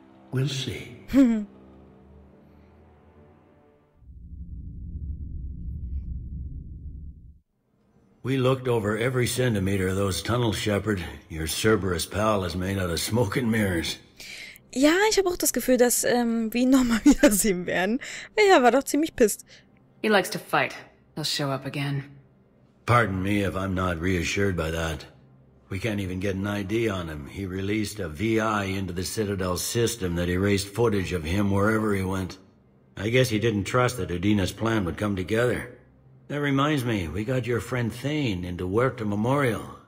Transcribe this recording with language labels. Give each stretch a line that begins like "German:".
English: We'll see. We looked over every centimeter of those tunnels, Shepard. Your Cerberus pal is made out of smoke and mirrors.
German: Ja, ich habe auch das Gefühl, dass wir ihn nochmal wiedersehen werden. Er war doch ziemlich pissed.
English: He likes to fight. He'll show up again. Pardon me if I'm not reassured by that. We can't even get an ID on him. He released a VI into the Citadel system that erased footage of him wherever he went. I guess he didn't trust that Odina's plan would come together. That reminds me, we got your friend Thane into Huerta Memorial.